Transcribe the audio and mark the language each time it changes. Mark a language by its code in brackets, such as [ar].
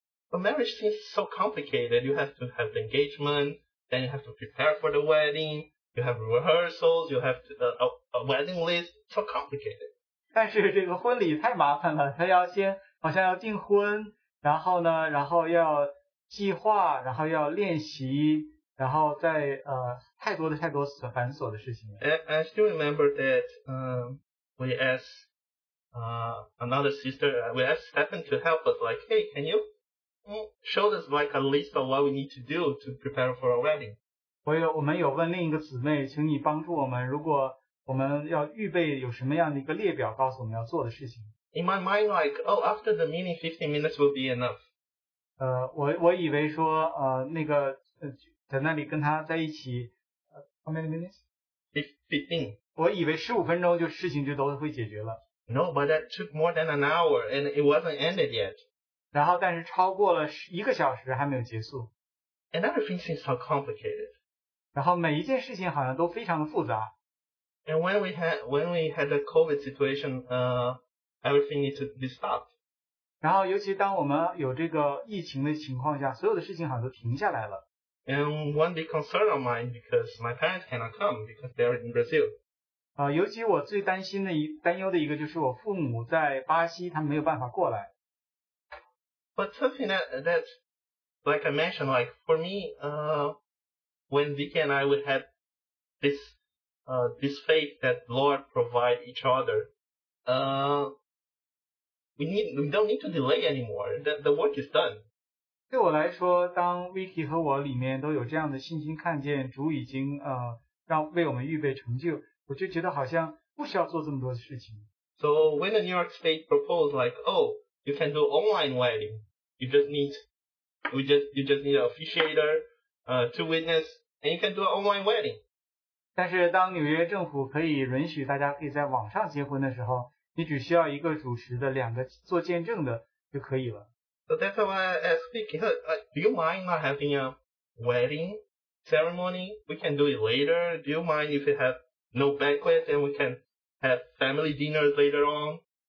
[en] But marriage seems so complicated. You have to have the engagement, then you have to prepare for the wedding, you have rehearsals, you have a wedding list. So complicated. [zh] 但是这个婚礼太麻烦了，他要先好像要订婚，然后呢，然后要计划，然后要练习，然后再太多繁琐的事情。 [en] I still remember that we asked another sister, we asked Stephen to help us, like, hey, can you show us like a list of what we need to do to prepare for our wedding? [zh] 我们有问另一个姊妹，请你帮助我们，如果我们要预备有什么样的一个列表，告诉我们要做的事情。 [en] In my mind, like, oh, after the meeting, 15 minutes will be enough. [zh] 我以为说，那个在那里跟他在一起， [en] how many minutes? 15. [zh] 我以为15分钟就事情就都会解决了。 [en] No, but that took more than an hour, and it wasn't ended yet. [zh] 然后，但是超过了一个小时还没有结束。 [en] And everything seems so complicated. [zh] 然后每一件事情好像都非常的复杂。 [en] And when we had the COVID situation, everything needs to be stopped. [zh] 然后，尤其当我们有这个疫情的情况下，所有的事情好像都停下来了。 [en] And one big concern of mine because my parents cannot come because they're in Brazil. [zh] 尤其我最担忧的一个就是我父母在巴西，他们没有办法过来。 [en] But something that, like I mentioned, like for me, when Vicky and I would have this faith that Lord provide each other, we don't need to delay anymore. The work is done. [zh] 对我来说，当 Vicky 和我里面都有这样的信心，看见主已经让为我们预备成就，我就觉得好像不需要做这么多事情。 [en] So when the New York State proposed like, oh, you can do online wedding, you just need an officiator, two witness, and you can do an online wedding. [zh] 但是当纽约政府可以允许大家可以在网上结婚的时候，你只需要一个主持的，两个做见证的就可以了。 [en] So that's why I ask Vicky, do you mind not having a wedding ceremony? We can do it later. Do you mind if it has no banquet and we can have family dinners later on?